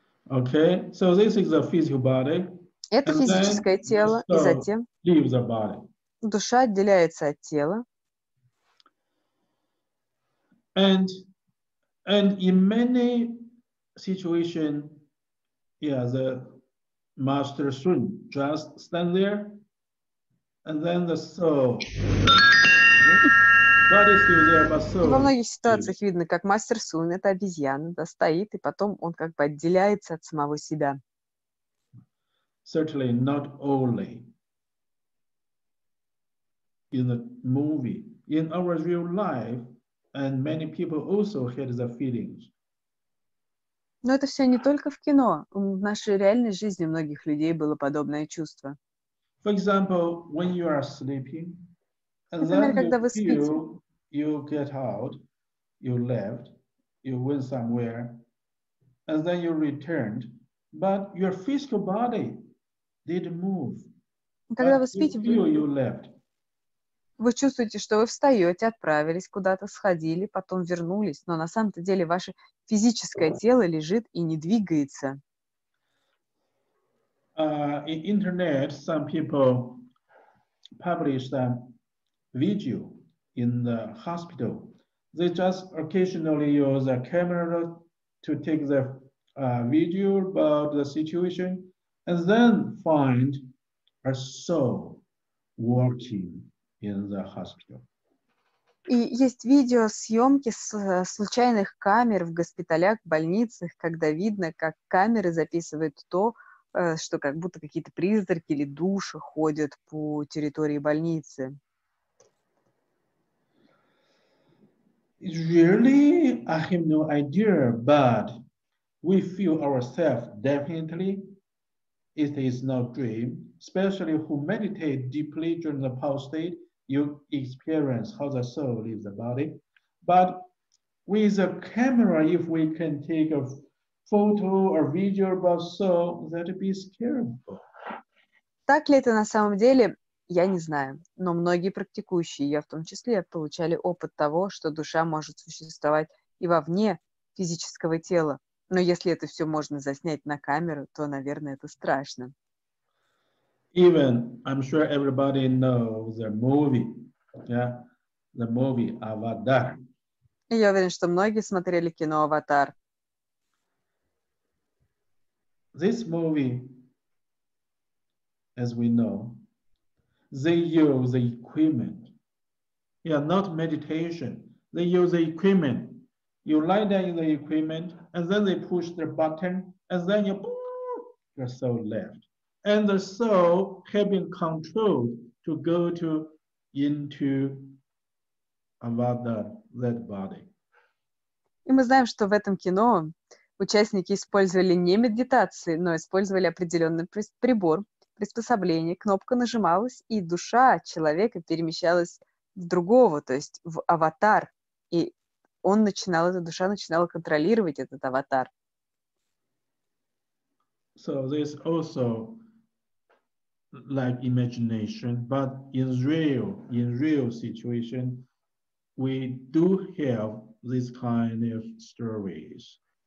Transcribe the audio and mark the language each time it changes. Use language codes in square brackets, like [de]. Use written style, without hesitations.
[en] Okay, so this is the physical body. [ru] Это физическое тело, и затем душа отделяется от тела. [en] And in many situation, yeah, the master Sun just stand there, and then the soul. [ru] Во многих ситуациях видно, как мастер Сун, это обезьяна, да, стоит, и потом он как бы отделяется от самого себя. [en] Certainly not only in the movie. In our real life, and many people also had the feelings. [ru] Но это все не только в кино. В нашей реальной жизни многих людей было подобное чувство. [en] For example, when you are sleeping, and [ru] например, когда [en] then you [ru] вы спите, [en] feel you get out, you left, you went somewhere, and then you returned, but your physical body didn't move. [ru] Когда вы спите, [en] you left. [ru] Вы чувствуете, что вы встаете, отправились куда-то, сходили, потом вернулись, но на самом-то деле ваше физическое тело лежит и не двигается. [en] In internet, some people publish a video. In the hospital, they just occasionally use a camera to take the video about the situation, and then find a soul walking in the hospital. [ru] И есть видео съемки с случайных камер в госпиталях, в больницах, когда видно, как камеры записывают то, что как будто какие-то призраки или души ходят по территории больницы. [en] Really, I have no idea, but We feel ourselves definitely. It is no dream. Especially who meditate deeply during the power state, you experience how the soul leaves the body. But with a camera, if we can take a photo or video about soul, that'd be scary. [ru] Так ли это на самом деле? Я не знаю, но многие практикующие, я в том числе, получали опыт того, что душа может существовать и вовне физического тела. Но если это все можно заснять на камеру, то, наверное, это страшно. [en] Even, I'm sure everybody knows the movie, yeah? The movie Avatar. [ru] И я уверен, что многие смотрели кино «Аватар». [en] This movie, as we know, they use the equipment. Yeah, not meditation. They use the equipment. You lie down in the equipment, and then they push the button, and then you, your soul left. And the soul have been controlled to go to into another that body. [ru] И мы знаем, что в этом кино участники использовали не медитации, но использовали определенный прибор. Приспособление, кнопка нажималась, и душа человека перемещалась в другого, то есть в аватар. И он начинал, эта душа начинала контролировать этот аватар. [en] So this also like imagination, but in real situation, we do have these kind of stories.